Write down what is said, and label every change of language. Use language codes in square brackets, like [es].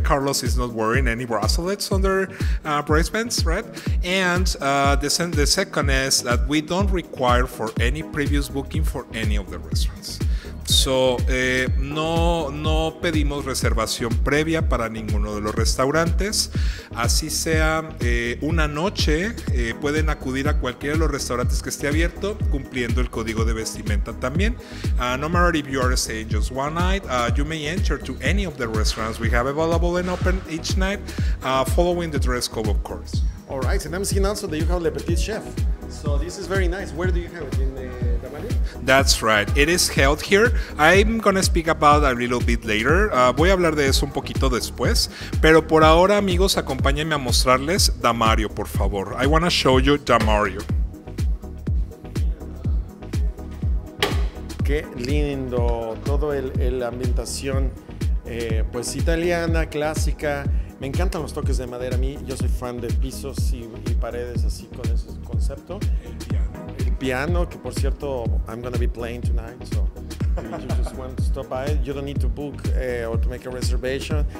[en] Carlos is not wearing any bracelets on their bracelets, right? And the second is that we don't require for any previous booking for any of the restaurants. [es] No pedimos reservación previa para ninguno de los restaurantes. Así sea una noche, pueden acudir a cualquiera de los restaurantes que esté abierto, cumpliendo el código de vestimenta también. [en] No matter if you are staying just one night, you may enter to any of the restaurants we have available and open each night, following the dress code, of course. All right, and I'm seeing also that you have Le Petit Chef. So this is very nice. Where do you have it? In the That's right. It is held here. I'm going to speak about a little bit later. [es] Voy a hablar de eso un poquito después. Pero por ahora, amigos, acompáñenme a mostrarles Damario, por favor. [en] I want to show you Damario. [es] Qué lindo. Todo la ambientación, pues, italiana, clásica. Me encantan los toques de madera. A mí, yo soy fan de pisos y paredes así con ese concepto. [en] Piano, [es] que por cierto, [en] I'm gonna be playing tonight, so if you just want to stop by, you don't need to book or to make a reservation.